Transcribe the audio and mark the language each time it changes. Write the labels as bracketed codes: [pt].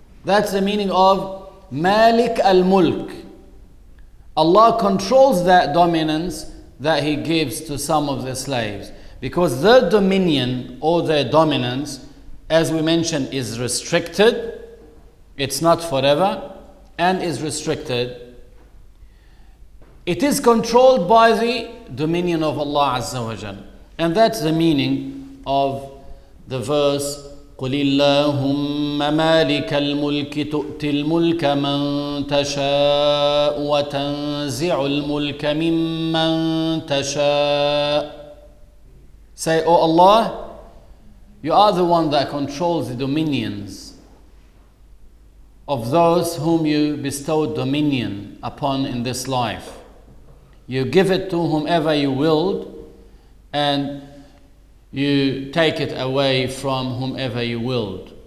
[en] That's the meaning of Malik al-Mulk. Allah controls that dominance that He gives to some of the slaves, because their dominion or their dominance, as we mentioned, is restricted. It's not forever and is restricted. It is controlled by the dominion of Allah Azza wa Jal. And that's the meaning of the verse, [ar] قُلِ اللَّهُمَّ مَالِكَ الْمُلْكِ تُؤْتِي الْمُلْكَ مَنْ تَشَاءُ وَتَنْزِعُ الْمُلْكَ مِمَّنْ تَشَاءُ. [en] Say, O Allah, You are the one that controls the dominions of those whom You bestow dominion upon in this life. You give it to whomever You willed, and You take it away from whomever You willed.